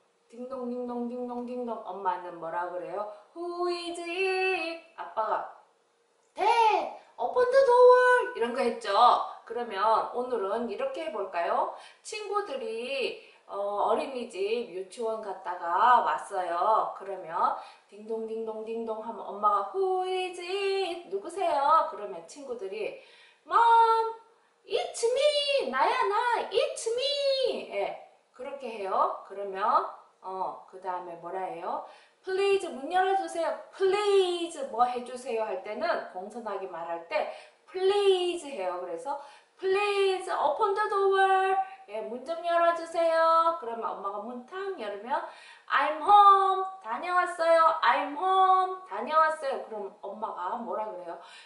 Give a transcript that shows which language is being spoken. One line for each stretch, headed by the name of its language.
Korean: 딩동, 엄마는 뭐라 그래요?
English: Who is it?
Korean: 아빠가,
English: Dad, open the door!
Korean: 이런 거 했죠? 그러면 오늘은 이렇게 해볼까요? 친구들이 어린이집 유치원 갔다가 왔어요. 그러면 딩동 하면 엄마가
English: Who is it?
Korean: 누구세요? 그러면 친구들이,
English: Mom, it's me!
Korean: 나야,
English: it's me!
Korean: 예, 그렇게 해요. 그러면, 그 다음에 뭐라 해요? Please 문 열어주세요. Please 뭐 해주세요 할 때는 공손하게 말할 때 Please 해요. 그래서
English: Please open the door.
Korean: 예, 문좀 열어주세요. 그러면 엄마가 문탁 열으면
English: I'm home.
Korean: 다녀왔어요.
English: I'm home.
Korean: 다녀왔어요. 그럼 엄마가 뭐라 그래요?